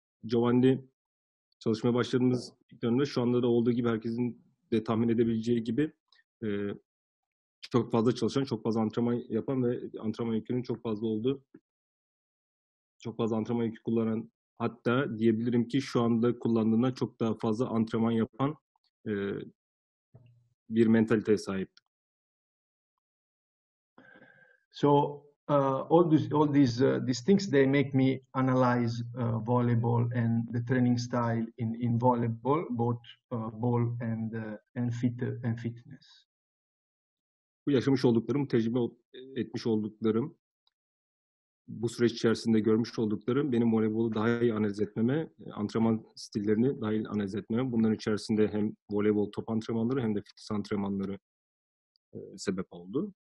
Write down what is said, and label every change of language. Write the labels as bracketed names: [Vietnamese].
[Turkish] Giovanni çalışmaya başladığımız dönemde şu anda da olduğu gibi herkesin de tahmin edebileceği gibi çok fazla çalışan, çok fazla antrenman yapan ve antrenman yükünün çok fazla olduğu, çok fazla antrenman yükü kullanan, hatta diyebilirim ki şu anda kullandığına çok daha fazla antrenman yapan bir mentaliteye sahip. [English] So all these things, they make me analyze volleyball and the training style in volleyball, both ball and fitness. [Turkish] Bu yaşamış olduklarım, tecrübe etmiş olduklarım, bu süreç içerisinde görmüş olduklarım benim voleybolu daha iyi analiz etmeme, antrenman stillerini daha iyi analiz etmeme, bunların içerisinde hem voleybol top antrenmanları hem de fitness antrenmanları sebep oldu.